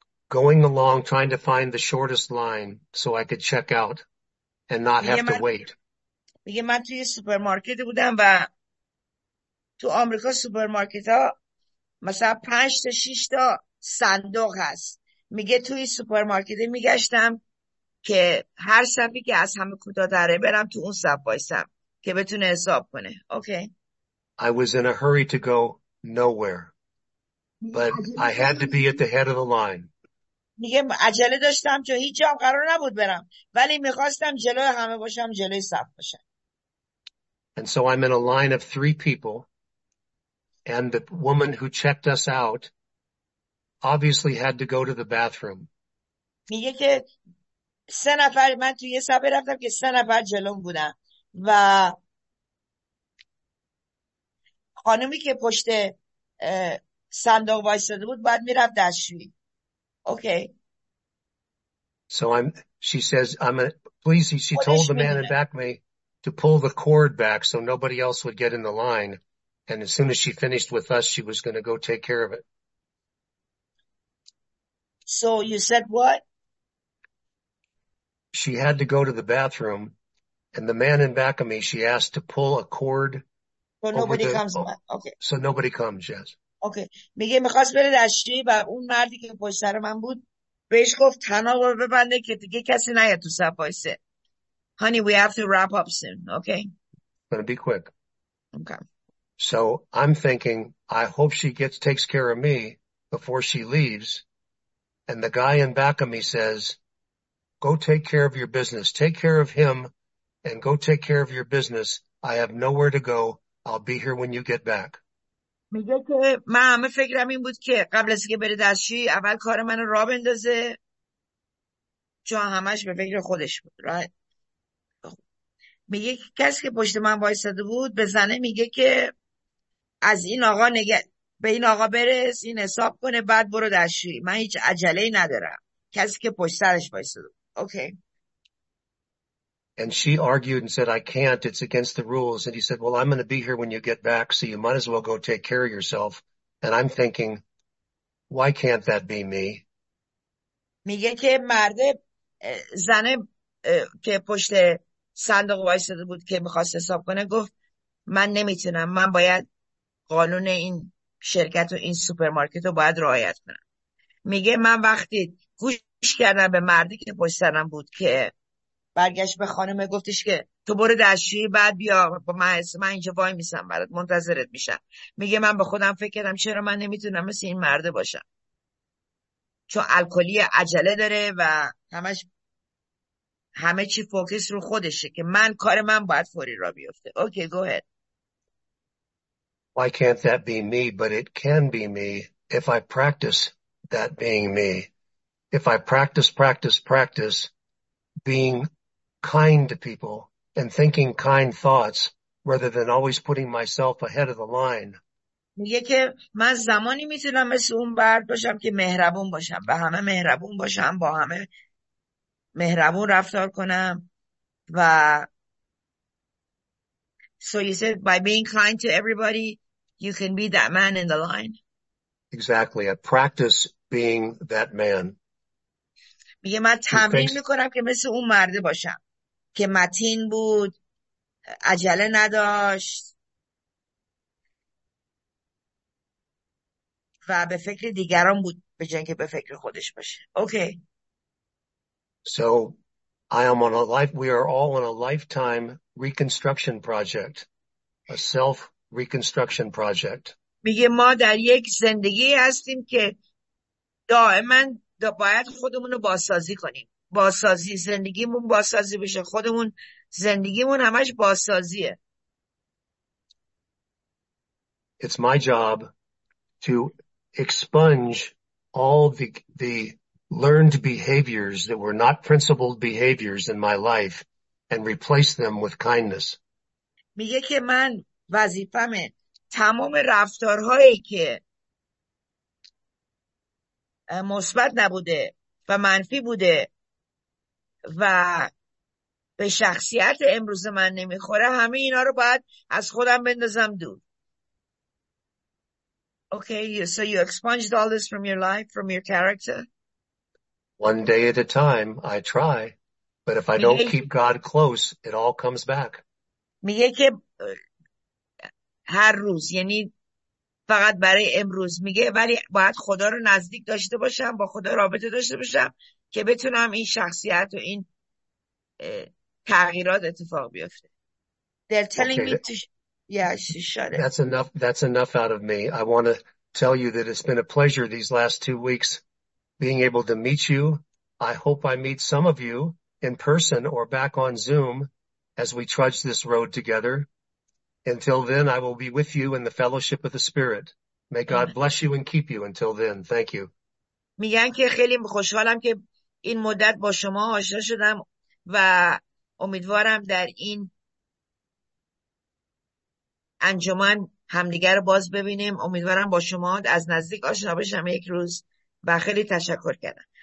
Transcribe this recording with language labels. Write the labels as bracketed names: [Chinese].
[English] Going along, trying to find the shortest line so I could check out and not have to wait. [Persian] میگه من توی سوپرمارکت بودم و تو آمریکا سوپرمارکت ها مثلا 5 تا 6 تا صندوق هست. میگه توی سوپرمارکت میگشتم که هر صفی که از همه کوتاه‌تره برم تو اون صف وایسم که بتونه حساب کنه. [English] Okay. I was in a hurry to go nowhere, but I had to be at the head of the line. [Persian] میگه عجله داشتم چون هیچ جام قرار نبود برم، ولی میخواستم جلوی همه باشم، جلوی صف باشم. [English] And so I'm in a line of three people, and the woman who checked us out obviously had to go to the bathroom. [Persian] میگه که سه نفر من توی یه صف رفتم که سه نفر جلوم بودن و خانومی که پشت صندوق وایساده بود باید میرفت دستشویی. [English] Okay. So I'm, she says, I'm a, please, she told the man in back me to pull the cord back so nobody else would get in the line. And as soon as she finished with us, she was going to go take care of it. So you said what? She had to go to the bathroom, and the man in back of me, she asked to pull a cord. So nobody comes back. Okay. So nobody comes, yes. [Persian] اوکی میگه میخواست بره دستشویی و اون مردی که پشت سر من بود بهش گفت تناب رو ببنده که دیگه کسی نیاد تو صف وایسه. [English] Honey, we have to wrap up soon, okay? Gonna be quick. Okay. So I'm thinking, I hope she takes care of me before she leaves. And the guy in back of me says, go take care of your business. Take care of him and go take care of your business. I have nowhere to go. I'll be here when you get back. [Persian] میگه که من همه فکرم این بود که قبل از که بره دستشویی اول کار منو راه بندازه، چون همش به فکر خودش بود. [English] Right. [Persian] میگه که کسی که پشت من وایساده بود به زنه میگه که از این آقا به این آقا برس، این حساب کنه، بعد برو دستشویی. من هیچ عجله‌ای ندارم. کسی که پشت سرش وایساده بود. [English] Okay. And she argued and said, I can't, it's against the rules. And he said, well, I'm going to be here when you get back, so you might as well go take care of yourself. And I'm thinking, why can't that be me? [Persian] میگه که مرد زنه که پشت صندوق وایساده بود که میخواست حساب کنه گفت من نمیتونم، من باید قانون این شرکت و این سوپرمارکت رو باید رعایت کنم. میگه من وقتی گوش کردم به مردی که پشت سرم بود که برگشت به خانمه گفتش که تو برو دستشویی بعد بیا با من اینجا وای میسم برات، منتظرت میشم. میگه من به خودم فکر کردم چرا من نمیتونم مثل این مرده باشم، چون الکلی عجله داره و همش همه چی فوکس رو خودشه که من کار من باید فوری را بیفته. [English] Okay go ahead. Why can't that be me? But it can be me if I practice that being me. If I practice being kind to people and thinking kind thoughts rather than always putting myself ahead of the line. [Persian] میگه که من زمانی میتونم مثل اون برد باشم که مهربون باشم، به همه مهربون باشم، با همه مهربون رفتار کنم. [English] و so you said by being kind to everybody you can be that man in the line. Exactly. I practice being that man. [Persian] میگه من تمرین میکنم که مثل اون مرده باشم که متین بود، عجله نداشت و به فکر دیگران بود به جای اینکه به فکر خودش باشه. [English] Okay. So I am on a life, we are all on a lifetime reconstruction project, a self reconstruction project. [Persian] میگه ما در یک زندگی هستیم که دائما باید خودمون رو بازسازی کنیم. بازسازی زندگیمون، بازسازی بشه خودمون، زندگیمون همش بازسازیه. [English] It's my job to expunge all the learned behaviors that were not principled behaviors in my life and replace them with kindness. [Persian] میگه که من وظیفمه تمام رفتارهایی که مثبت نبوده و منفی بوده و به شخصیت امروز من نمیخوره، همه اینا رو باید از خودم بندازم دور. [English] Okay, so you expunged all this from your life, from your character? One day at a time, I try, but if I don't keep God close, it all comes back. [Persian] میگه که هر روز، یعنی فقط برای امروز، میگه ولی باید خدا رو نزدیک داشته باشم، با خدا رابطه داشته باشم که بتونم این شخصیت و این تغییرات اتفاق بیفته. [English] They're telling okay, me to shut it. That's enough out of me. I want to tell you that it's been a pleasure these last 2 weeks being able to meet you. I hope I meet some of you in person or back on Zoom as we trudge this road together. Until then, I will be with you in the fellowship of the Spirit. May God bless you and keep you until then. Thank you. [Persian] میگن که خیلی خوشحالم که این مدت با شما آشنا شدم و امیدوارم در این انجمن همدیگر رو باز ببینیم. امیدوارم با شما از نزدیک آشنا بشم یک روز و خیلی تشکر کردم.